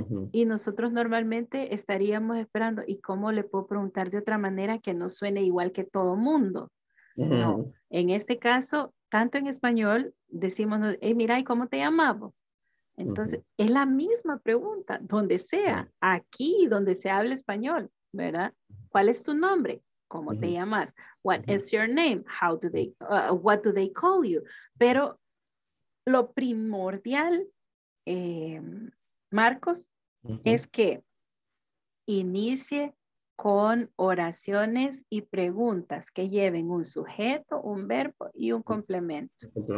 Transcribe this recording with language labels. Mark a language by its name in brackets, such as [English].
[Spanish] Y nosotros normalmente estaríamos esperando, ¿y cómo le puedo preguntar de otra manera que no suene igual que todo mundo? No. En este caso, tanto en español, decimos, hey, mira, ¿y cómo te llamabas? Entonces, es la misma pregunta, donde sea, aquí, donde se habla español, ¿verdad? ¿Cuál es tu nombre? ¿Cómo te llamas? [English] What is your name? How do they, what do they call you? [Spanish] Pero lo primordial, Marcos, es que inicie con oraciones y preguntas que lleven un sujeto, un verbo y un complemento.